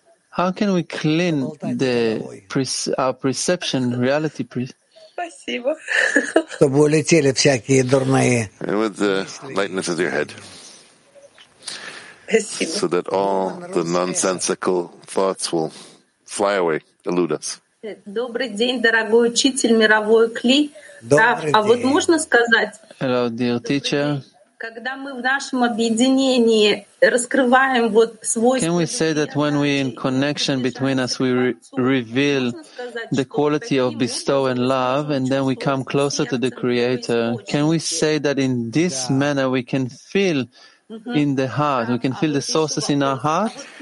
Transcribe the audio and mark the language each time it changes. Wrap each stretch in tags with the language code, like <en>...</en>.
<en>How can we clean the our perception, reality? And with the lightness of your head. So that all the nonsensical thoughts will fly away.</en> <ru>Добрый день, дорогой учитель, мировой кли. А вот можно сказать?</ru> <en>Hello, dear teacher.</en> <ru>Когда мы в нашем объединении раскрываем вот свой.</ru> <en>Can we say that when we in connection between us we reveal the quality of bestow and love and then we come closer to the Creator? Can we say that in this manner we can feel in the heart, we can feel the sources in our heart?</en>